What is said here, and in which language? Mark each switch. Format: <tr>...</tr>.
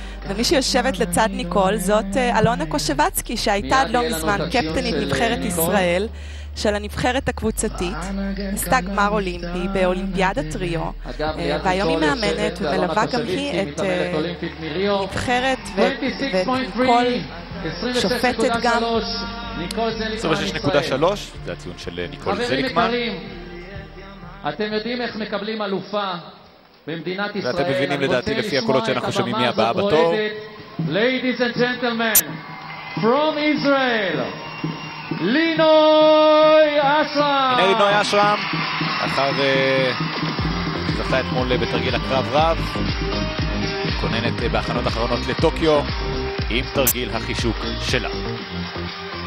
<he>ומי שיושבת לצד ניקול זאת אלונה קושבצקי, שהייתה עד לא מזמן קפטנית נבחרת ישראל של הנבחרת הקבוצתית, עשתה גמר אולימפי באולימפיאדת ריו, והיום היא מאמנת ומלווה גם היא את נבחרת ואת ניקול, שופטת גם. 26.3, זה הציון של ניקול זליקמן. חברים יקרים, אתם יודעים איך מקבלים אלופה במדינת ישראל. ואתם מבינים לדעתי לפי הקולות שאנחנו שומעים מי הבאה בתור.</he> <en>Ladies and gentlemen, from Israel, לינוי אשרם.</en> <he>הנה לינוי אשרם, אחר זכה אתמול בתרגיל הקרב רב, כוננת בהכנות אחרונות לטוקיו עם תרגיל החישוק שלה. לינוי אשרם,</he>